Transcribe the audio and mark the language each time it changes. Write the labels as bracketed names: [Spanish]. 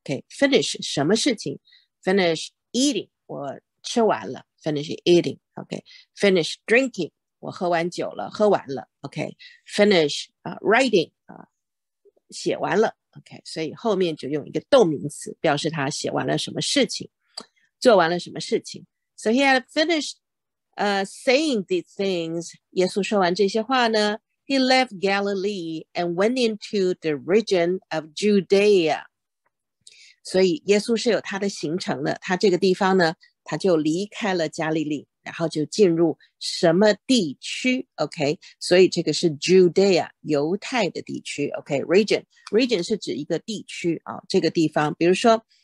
[English] Okay, finish [Chinese] 什么事情 [English] ？Finish eating, [Chinese] 我吃完了。 [English] Finish eating, okay. Finish drinking, [Chinese] 我喝完酒了，喝完了。 [English] Okay, finish writing, [Chinese] 写完了。 Okay, 所以后面就用一个动名词表示他写完了什么事情。做完了什么事情 [English] ？So he had finished, saying these things. [Chinese] 耶稣说完这些话呢 [English] ，he left Galilee and went into the region of Judea. [Chinese] 所以耶稣是有他的行程的。他这个地方呢，他就离开了加利利，然后就进入什么地区 ？OK， 所以这个是 Judea 犹太的地区。 OK，region、okay? region 是指一个地区啊、哦，这个地方，比如说。